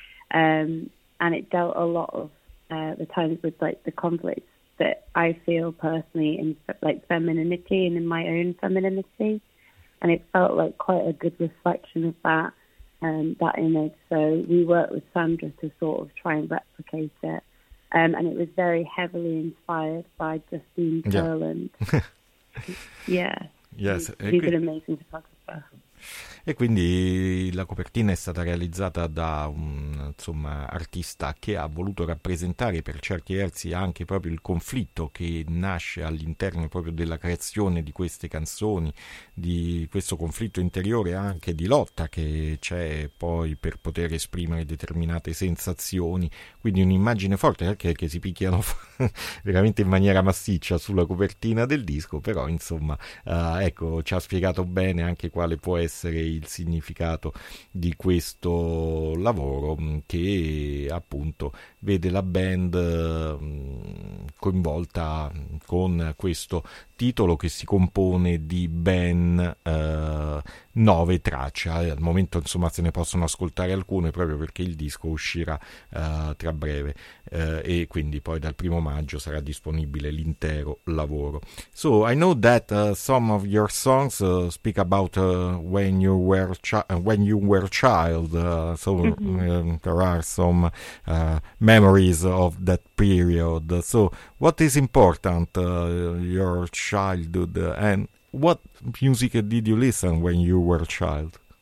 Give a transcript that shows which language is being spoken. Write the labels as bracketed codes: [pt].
[en] And it dealt a lot of the times with like the conflicts that I feel personally in like femininity and in my own femininity, and it felt like quite a good reflection of that that image. So we worked with Sandra to sort of try and replicate it, and it was very heavily inspired by Justine Gerland. Yeah. Yes. She's an amazing photographer. [it] E quindi la copertina è stata realizzata da un insomma, artista che ha voluto rappresentare per certi versi anche proprio il conflitto che nasce all'interno proprio della creazione di queste canzoni, di questo conflitto interiore, anche di lotta che c'è poi per poter esprimere determinate sensazioni. Quindi un'immagine forte, anche perché si picchiano veramente in maniera massiccia sulla copertina del disco, però insomma, ecco, ci ha spiegato bene anche quale può essere il significato di questo lavoro, che appunto vede la band coinvolta con questo titolo che si compone di ben 9 tracce. Al momento insomma se ne possono ascoltare alcune, proprio perché il disco uscirà tra breve, e quindi poi dal 1 maggio sarà disponibile l'intero lavoro. [en] So I know that some of your songs speak about when you were a child, so there are some memories of that period. So what is important your childhood, and what music did you listen when you were a child?